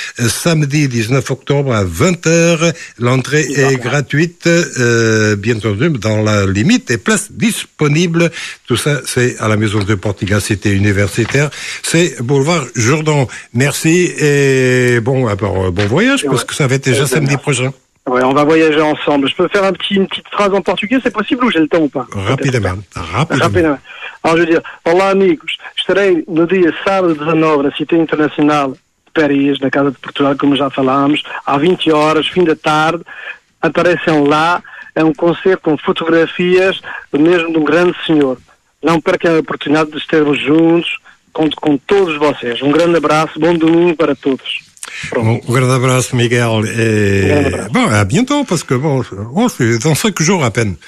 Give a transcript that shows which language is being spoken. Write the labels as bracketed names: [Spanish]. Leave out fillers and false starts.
[French] Samedi 19 octobre à 20h. L'entrée est gratuite, bien entendu, dans la limite. Et places disponibles. Tout ça c'est à la maison de Portiga, c'était universitaire, c'est boulevard Jourdan. Merci et bon, bon voyage, parce que ça va être déjà samedi prochain. Ouais, on va voyager ensemble. Je peux faire une petite phrase en portugais, c'est possible ou j'ai le temps ou pas? Rapidement, rapidement. [Portuguese] Alors, je veux dire, olá amigos, estarei no dia sábado 19 na Cité Internacional de Paris, na Casa de Portugal, como já falámos, às 20 horas, fim da tarde, aparecem lá, é um concerto com fotografias, mesmo de um grande senhor. Não percam a oportunidade de estarmos juntos, conto com todos vocês. Um grande abraço, bom domingo para todos. [French] Bon, un grand abraço, Miguel. Et... Bon, à bientôt, parce que bon, c'est dans 5 jours à peine.